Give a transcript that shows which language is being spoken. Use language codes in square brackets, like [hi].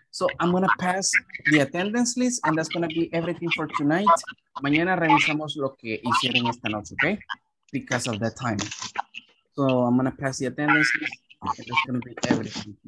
[en] So I'm going to pass the attendance list and that's going to be everything for tonight. [es] Mañana revisamos lo que hicieron esta noche, ok? [en] Because of the time. So I'm going to pass the attendance list and that's going to be everything.